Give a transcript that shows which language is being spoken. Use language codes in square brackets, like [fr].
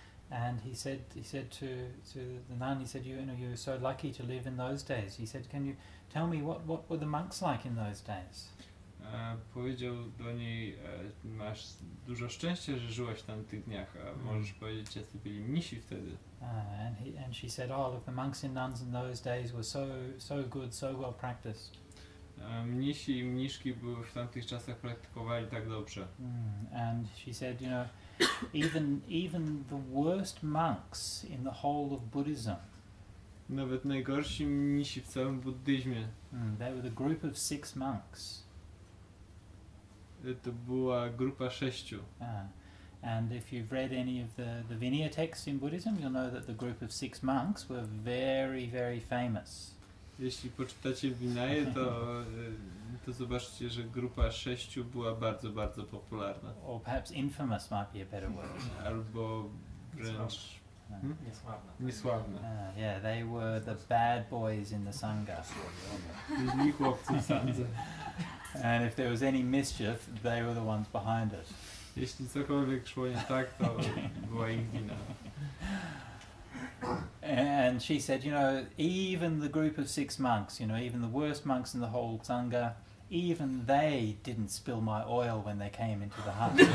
[en] And he said to the nun, he said, you were so lucky to live in those days. He said, can you tell me what were the monks like in those days? [pl] Powiedział do niej, masz dużo szczęścia, że żyłaś tam w tych dniach, a możesz powiedzieć, jacy byli mnisi wtedy. [en] And she said, oh, look, the monks and nuns in those days were so good, so well practiced. [pl] Mnisi i mniszki były w tamtych czasach praktykowali tak dobrze. [en] And she said, you know, even the worst monks in the whole of Buddhism. [pl] Nawet najgorsi mnisi w całym buddyzmie. [en] They were the group of six monks. [pl] To była grupa sześciu. [en] And if you've read any of the Vinaya texts in Buddhism, you'll know that the group of six monks were very, very famous. [pl] Jeśli poczytacie Vinaya, to zobaczycie, że grupa sześciu była bardzo, bardzo popularna. [en] Or perhaps infamous might be a better word. [pl] Albo wręcz... Niesławna. [en] Yeah, they were the bad boys in the Sangha. [pl] Byli chłopcy w Sandze. [en] And if there was any mischief, they were the ones behind it. [pl] Jeśli cokolwiek szło nie tak, to była ich wina. [en] And she said, you know, even the group of six monks, you know, even the worst monks in the whole Sangha, even they didn't spill my oil when they came into the hut.